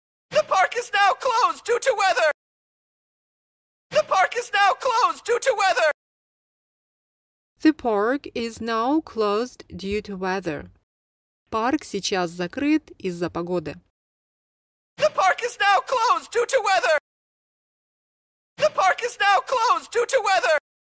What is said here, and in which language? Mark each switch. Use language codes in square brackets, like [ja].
[en] The park is now closed due to weather. The park is now closed due to weather. The park is now closed due to weather. [ru] Парк сейчас закрыт из-за погоды. [en] The park is now closed due to weather. The park is now closed due to weather.